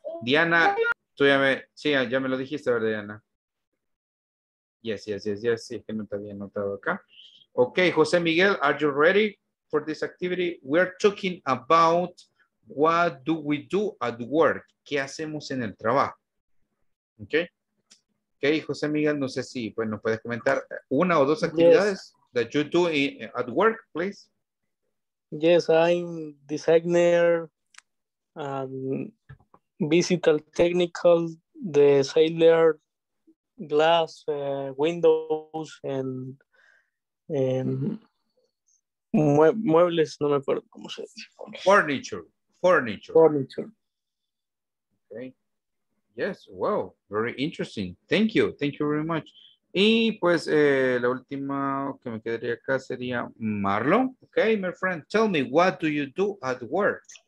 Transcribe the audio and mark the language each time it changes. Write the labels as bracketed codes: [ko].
[es] Diana, tú ya me, sí, ya me lo dijiste, ¿verdad, Diana? [en] Yes, yes, yes, yes, [es] sí, que no te había notado acá. [en] Okay, José Miguel, are you ready for this activity? We're talking about what do we do at work? [es] ¿Qué hacemos en el trabajo? Okay. Okay, José Miguel, no sé si, bueno, puedes comentar una o dos actividades [en] that you do in, at work, please. Yes, I'm designer, visual technical, the sailor, glass, windows, and [es] muebles, no me acuerdo cómo se dice. [en] Furniture. Furniture. Okay. Yes. Wow. Very interesting. Thank you. Thank you very much. [es] Y pues la última que me quedaría acá sería Marlon. [en] Okay, my friend. Tell me, what do you do at work?